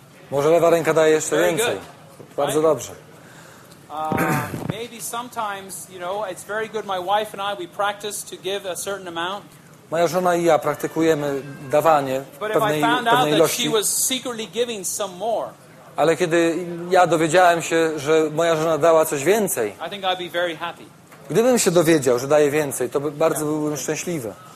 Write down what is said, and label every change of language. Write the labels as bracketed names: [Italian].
[Polish] Może lewa ręka daje jeszcze więcej. Bardzo dobrze. [English] maybe sometimes, you know, it's very good. My wife and I, we practice to give a certain amount. [Polish] Moja żona i ja praktykujemy dawanie pewnej ilości. [English] But if I found out that she was secretly giving some more. [Polish] Ale kiedy ja dowiedziałem się, że moja żona dała coś więcej, [English] I think I'd be very happy. [Polish] Gdybym się dowiedział, że daje więcej, to bardzo byłbym szczęśliwy.